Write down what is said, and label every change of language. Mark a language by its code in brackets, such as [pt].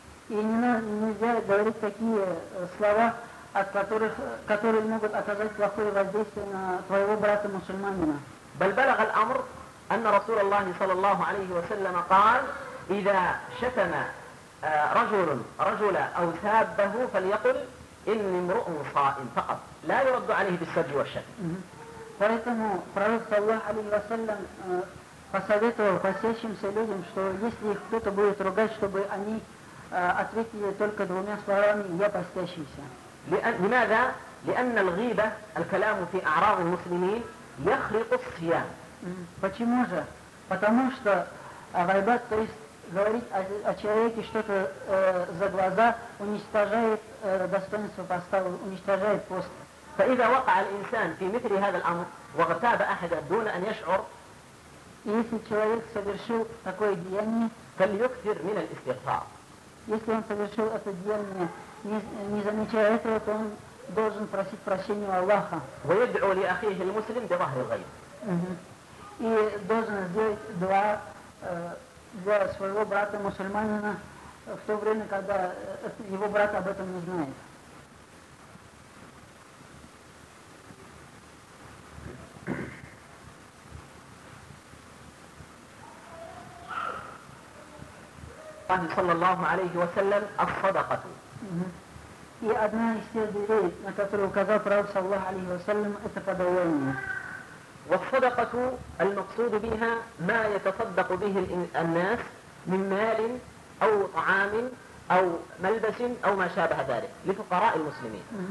[ru] И нельзя говорить такие слова, от которых, которые могут оказать плохое воздействие на твоего брата мусульманина. [ar] بل بلغ الأمر أن رسول الله صلى الله عليه وسلم قال: إذا شتم رجل رجل أو سابه فليقل إني امرؤ صائم فقط، لا يرد عليه بالسب والشتم. [ru] Поэтому пророк саллаллаху алейхи ва саллям посоветовал постящимся людям, что если их кто-то будет ругать, чтобы они ответили только двумя словами: «Я постящийся». [ar] لماذا؟ لأن الغيبة الكلام في أعراض المسلمين يخلق الصيام. [ru] Почему же? Потому что غайба, то есть говорить о человеке что-то за глаза, уничтожает достоинство поста, уничтожает пост. [ar] فإذا وقع الإنسان في مثل هذا الأمر واغتاب أحدا دون أن يشعر، [ru] если человек совершил такое деяние, [ar] فليكثر من الاستغفار. [ru] Если он совершил это деяние, не замечая этого, то он должен просить прощения у Аллаха. [ar] ويدعو لأخيه المسلم بظهر الغيب. [ru] И должен сделать дуа для своего брата мусульманина в то время, когда его брат об этом не знает. [ar] صلى الله عليه وسلم الصدقة. [ru] И одна из тех дверей, на которую указал пророк [ar] صلى الله عليه وسلم, [ru] это подаяние. [ar] والصدقة المقصود بها ما يتصدق به الناس من مال أو طعام أو ملبس أو ما شابه ذلك لفقراء المسلمين.